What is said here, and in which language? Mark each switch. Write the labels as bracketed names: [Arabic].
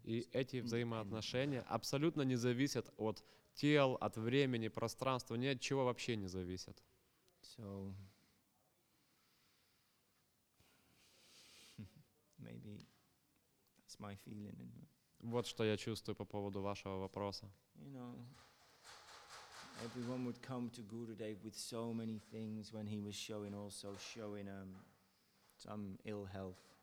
[Russian] И эти взаимоотношения абсолютно не зависят от тел, от времени, пространства, ни от чего вообще не зависят. [English] So maybe that's my feeling. Anyway. [Russian] Вот что я чувствую по поводу вашего вопроса. [English] You know, everyone would come to Gurudev with so many things when he was showing, also showing some ill health.